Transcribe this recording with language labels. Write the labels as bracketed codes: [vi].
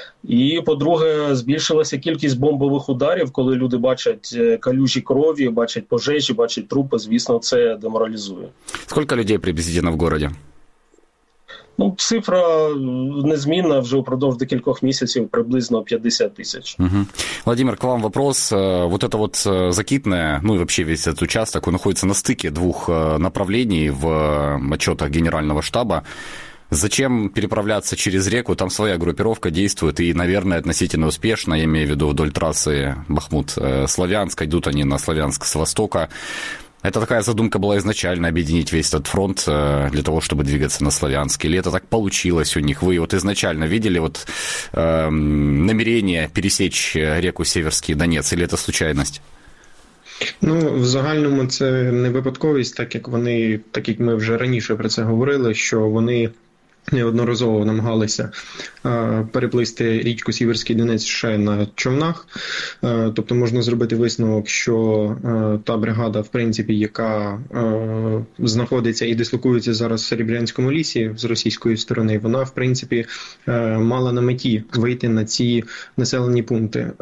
[uk] І, по-друге, збільшилася кількість бомбових ударів, коли люди бачать калюжі крові, бачать пожежі, бачать трупи. Звісно, це деморалізує. Скільки людей приблизно в місті? Ну, цифра незмінна вже упродовж декількох місяців, приблизно 50 тисяч. [ru] Угу. Владимир, к вам вопрос. Вот это вот Закитное, ну и вообще весь этот участок, он находится на стыке двух направлений в отчетах Генерального штаба. Зачем переправляться через реку? Там своя группировка действует и, наверное, относительно успешно, я имею в виду вдоль трассы Бахмут-Славянск. Идут они на Славянск с востока. Это такая задумка была изначально, объединить весь этот фронт для того, чтобы двигаться на Славянск? Или это так получилось у них? Вы вот изначально видели вот намерение пересечь реку Сіверський Донець, или это случайность? [uk] Ну, в загальному це не випадковість, так як вони, так як ми вже раніше про це говорили, що вони неодноразово намагалися переплисти річку Сіверський Донець ще на човнах. Тобто можна зробити висновок, що та бригада, в принципі, яка знаходиться і дислокується зараз в Серебрянському лісі з російської сторони, вона, в принципі, мала на меті вийти на ці населені пункти.